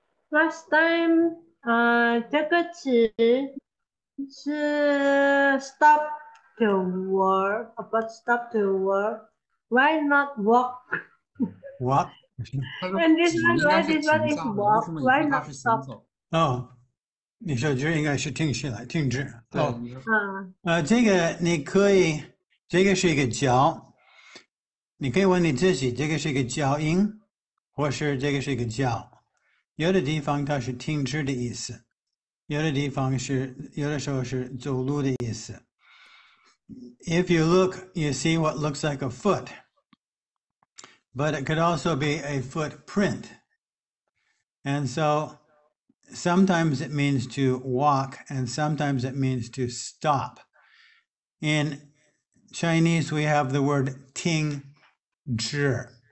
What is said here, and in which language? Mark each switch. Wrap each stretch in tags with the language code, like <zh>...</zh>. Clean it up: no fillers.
<en>last time,</en> <zh>这个词是</zh> <en>stop the world, about stop the world. Why not walk? Walk? And this one, why this one is walk? Why not stop? Oh.</en> <zh>你说这应该是停下来停止。对、哦、这个你可以这个是一个脚。你可以问你自己这个是一个脚音或是这个是一个脚。有的地方它是停止的意思。有的地方是有的时候是走路的意思。</zh> <en>If you look, you see what looks like a foot. But it could also be a footprint. And so,Sometimes it means to walk, and sometimes it means to stop. In Chinese, we have the word "ting zhi."</en>